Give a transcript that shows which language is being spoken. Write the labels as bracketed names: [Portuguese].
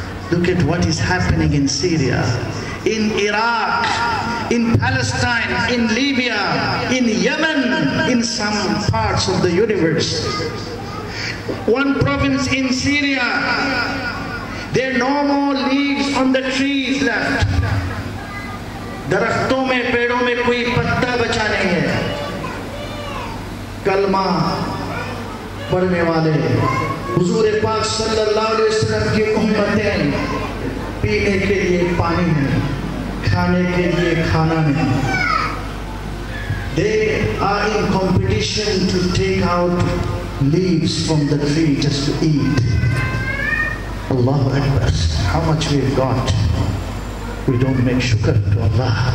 [English] Look at what is happening in Syria, in Iraq, in Palestine, in Libya, in Yemen, in some parts of the universe. One province in Syria, there are no more leaves on the trees left. [Urdu] درختوں میں پیڑوں میں کوئی پتہ بچا نہیں ہے. کلمہ پڑھنے والے حضور پاک صلی اللہ علیہ وسلم کی امتیں پینے کے لیے پانی نہیں, کھانے کے لیے کھانا نہیں. [English] They are in competition to take out leaves from the tree just to eat. Allahu Akbar, how much we've got. We don't make shukr to Allah.